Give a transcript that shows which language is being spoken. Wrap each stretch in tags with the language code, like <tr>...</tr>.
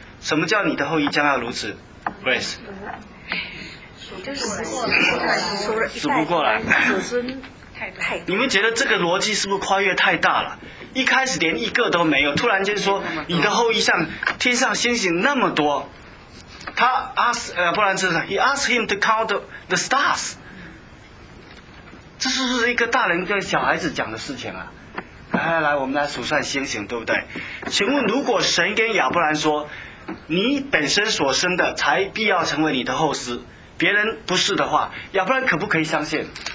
<zh>什么叫你的后裔将要如此？ Grace， 数不过来，子孙你们觉得这个逻辑是不是跨越太大了？一开始连一个都没有，突然间说你的后裔像天上星星那么多。</zh> <en>他 He asked him to count the stars。</en> <zh>这是不是一个大人跟小孩子讲的事情啊？来来，我们来数算星星，对不对？请问，如果神跟亚伯兰说，你本身所生的才必要成为你的后嗣，别人不是的话，亚伯兰可不可以相信？</zh>